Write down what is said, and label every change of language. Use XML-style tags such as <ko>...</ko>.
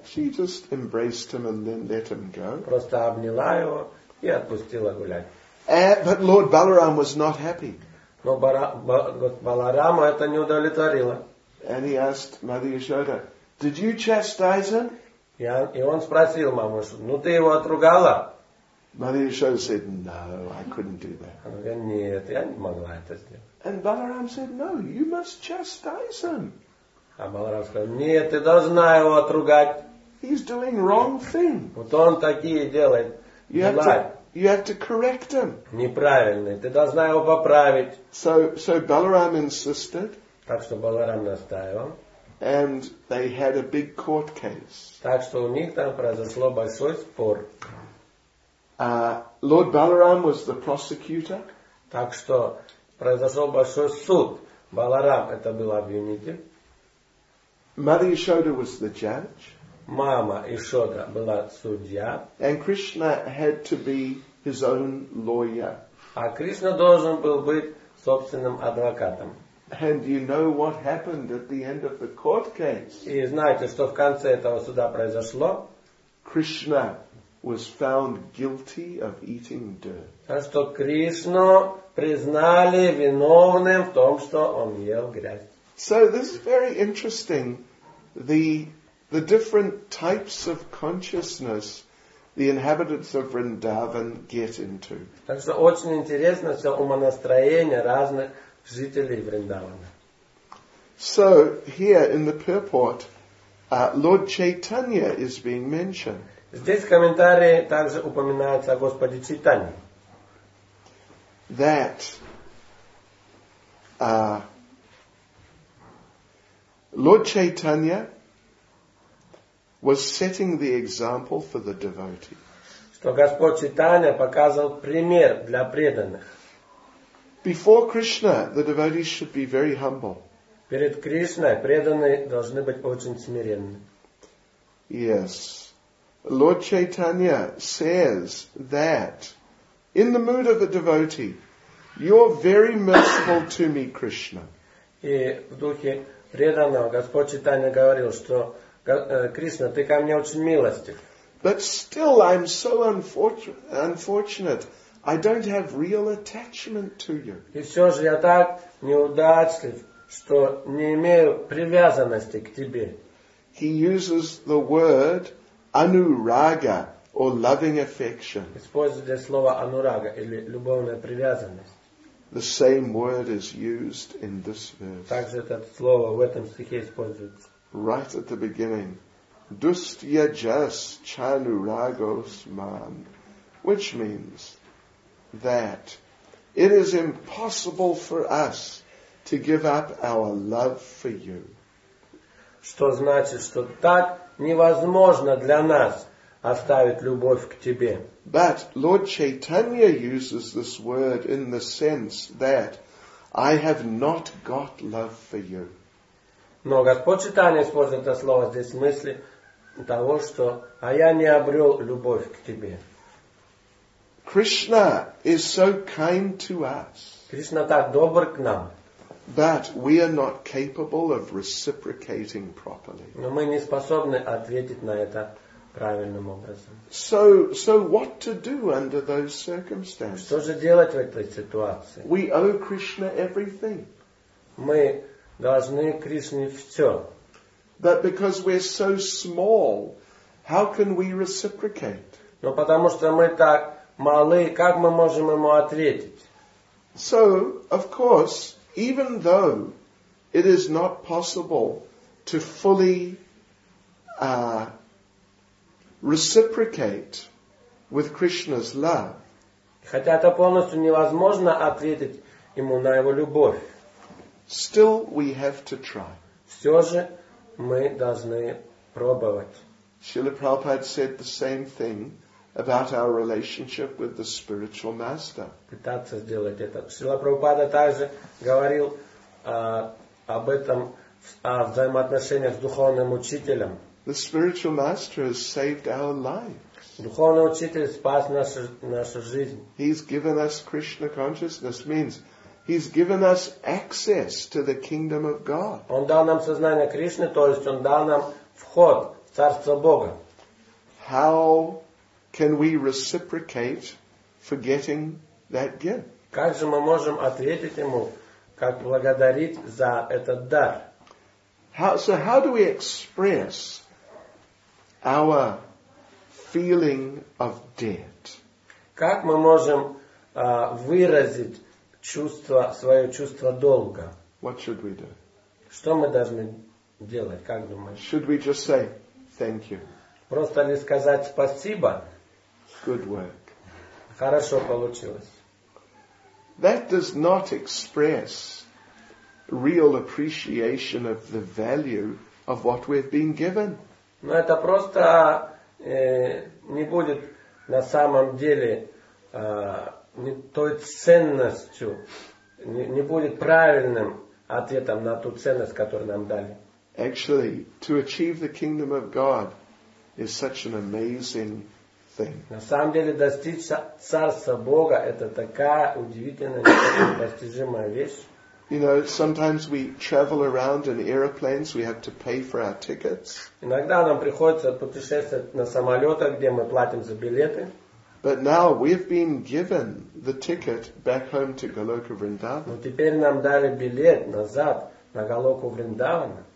<en>She just embraced him and then let him go.</en> <ru>Просто обняла его и отпустила гулять.</ru> <en>But Lord Balaram was not happy.</en> <ru>Но Баларама это не удовлетворило.</ru> <en>And he asked Mother Yashoda, did you chastise him?</en> <ru>И он спросил маму, ну ты его отругала?</ru> <en>Mother Yashoda said, no, I couldn't do that.</en> <ru>Она говорит, нет, я не могла это сделать.</ru> <en>And Balaram said, no, you must chastise him.</en> <ru>А Баларам сказал, нет, ты должна его отругать.</ru> <en>He's doing wrong thing.</en> <ru>Вот он такие делает.</ru> <en>You have to correct him.</en> <ru>Неправильный, ты должна его поправить.</ru> <en>So Balaram insisted.</en> <ru>Так что Баларам настаивал.</ru> <en>And they had a big court case.</en> <ru>Так что у них там произошло большой спор.</ru> <en>Lord Balaram was the prosecutor.</en> <ru>Так что произошел большой суд. Баларам это был обвинитель.</ru> <en>Mother Yashoda was the judge.</en> <ru>Мама Ишода была судья.</ru> <en>And Krishna had to be his own lawyer.</en> <ru>А Кришна должен был быть собственным адвокатом.</ru> <en>And you know what happened at the end of the court case?</en> <ru>И знаете, что в конце этого суда произошло?</ru> <en>Krishna was found guilty of eating dirt.</en> <ru>Так что Кришну признали виновным в том, что он ел грязь.</ru> <en>So this is very interesting. The different types of consciousness the inhabitants of Vrindavan get into.</en> <ru>Так что очень интересно все умонастроение разных жителей Вриндавана.</ru> <en>So here in the purport, Lord Chaitanya is being mentioned.</en> <ru>Здесь в комментарии также упоминается о Господе Чайтанье.</ru> <en>That Lord Chaitanya was setting the example for the devotees.</en> <ru>Что Господь Чайтанья показывал пример для преданных.</ru> <en>Before Krishna, the devotees should be very humble.</en> <ru>Перед Кришной преданные должны быть очень смиренны.</ru> <en>Yes. Lord Chaitanya says that in the mood of a devotee, you're very merciful to me, Krishna.</en> <ru>И в духе преданного Господь Чайтанья говорил, что Кришна, ты ко мне очень милостив.</ru> <en>But still I'm so unfortunate. I don't have real attachment to you.</en> <ru>И все же я так неудачлив, что не имею привязанности к тебе.</ru> <en>He uses the word anuraga, or loving affection.</en> <ru>Использует слово anuraga, или любовная привязанность.</ru> <en>The same word is used in this verse.</en> <ru>Также это слово в этом стихе используется.</ru> <en>Right at the beginning.</en> <sa>Dustya jas chanuragos man,</sa> <en>which means that it is impossible for us to give up our love for you.</en> <ru>Что значит, что так невозможно для нас оставить любовь к тебе.</ru> <en>But Lord Chaitanya uses this word in the sense that I have not got love for you.</en> <ru>Но Господь Чайтанья использует это слово здесь в смысле того, что а я не обрел любовь к тебе.</ru> <en>Krishna is so kind to us.</en> <ru>Кришна так добр к нам.</ru> <en>But we are not capable of reciprocating properly.</en> <ru>Но мы не способны ответить на это правильным образом.</ru> <en>So what to do under those circumstances?</en> <ru>Что же делать в этой ситуации?</ru> <en>We owe Krishna everything.</en> <ru>Мы должны Кришне все.</ru> <en>But because we're so small, how can we reciprocate?</en> <ru>Но потому что мы так малы, как мы можем ему ответить?</ru> <en>So, of course, even though it is not possible to fully reciprocate with Krishna's love,</en> <ru>хотя это полностью невозможно ответить ему на его любовь,</ru> <en>still we have to try.</en> <ru>Все же мы должны пробовать.</ru> <en>Srila Prabhupada said the same thing about our relationship with the spiritual master.</en> <ru>Пытаться сделать это. Шрила Прабхупада также говорил об этом, о взаимоотношениях с духовным учителем.</ru> <en>The spiritual master has saved our lives.</en> <ru>Духовный учитель спас нашу жизнь.</ru> <en>He's given us Krishna consciousness, means he's given us access to the kingdom of God.</en> <ru>Он дал нам сознание Кришны, то есть он дал нам вход в царство Бога.</ru> <en>How can we reciprocate forgetting that gift?</en> <ru>Как же мы можем ответить ему, как благодарить за этот дар?</ru> <en>How do we express our feeling of debt?</en> <ru>Как мы можем выразить чувство, свое чувство долга?</ru> <en>What should we do?</en> <ru>Что мы должны делать, как думаешь?</ru> <en>Should we just say thank you?</en> <ru>Просто ли сказать спасибо?</ru> <en>Good work.</en> <ru>Хорошо получилось.</ru> <en>That does not express real appreciation of the value of what we've been given.</en> <ru>Но это просто не будет на самом деле не той ценностью, не будет правильным ответом на ту ценность, которую нам дали.</ru> <en>Actually, to achieve the kingdom of God is such an amazing thing.</en> <ru>На самом деле достичь царства Бога это такая удивительная и непостижимая вещь.</ru> <en>You know, sometimes we travel around in airplanes, we have to pay for our tickets.</en> <ru>Иногда нам приходится путешествовать на самолетах, где мы платим за билеты.</ru> <en>But now we've been given the ticket back home to Goloka Vrindavan.</en> <ru>Но теперь нам дали билет назад на Голоку Вриндавана.</ru>